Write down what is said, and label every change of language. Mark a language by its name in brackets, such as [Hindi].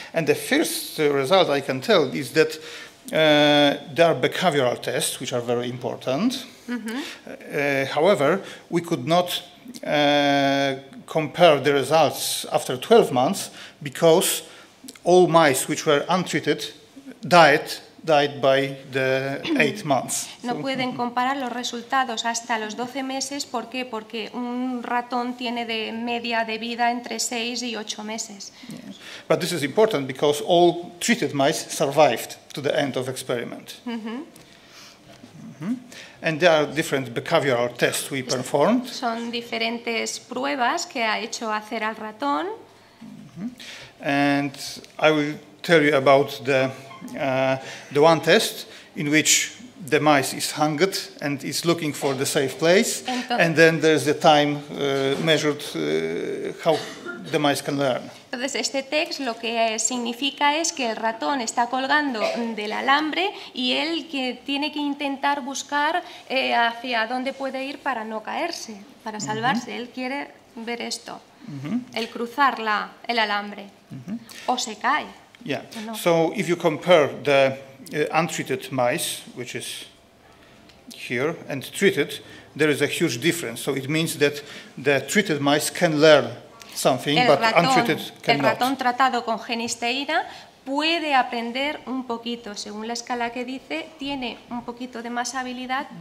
[English] And the first result I can tell is that there are behavioral tests which are very important. Mm-hmm. However, we could not compare the results after 12 months because all mice which were untreated died by the 8 months. [Spanish] No pueden comparar los resultados hasta los 12 meses. ¿Por qué? Porque un ratón tiene de media de vida entre 6 y 8 meses. Yeah. [English] But this is important because all treated mice survived to the end of experiment. Mm-hmm. Mm-hmm. And there are different behavioral tests we performed. [Spanish] Son diferentes pruebas que ha hecho hacer al ratón. Mm-hmm. [English] And I will tell you about the one test in which the mice is hungered and is looking for the safe place. [Spanish] Entonces, [English] and then there's the time measured how the mice can learn. [Spanish] Entonces, este test lo que significa es que el ratón está colgando del alambre y él que tiene que intentar buscar hacia dónde puede ir para no caerse, para salvarse. Uh-huh. Él quiere ver esto, uh-huh. el cruzar el alambre uh-huh. o se cae. Yeah. [English] So if you compare the untreated mice, which is here, and treated, there is a huge difference. So it means that the treated mice can learn something, [Spanish] el [English] but [Spanish] ratón, [English] untreated cannot. [Spanish] El ratón tratado con genisteína puede aprender un poquito, según la escala que dice, tiene un poquito de más habilidad mm-hmm.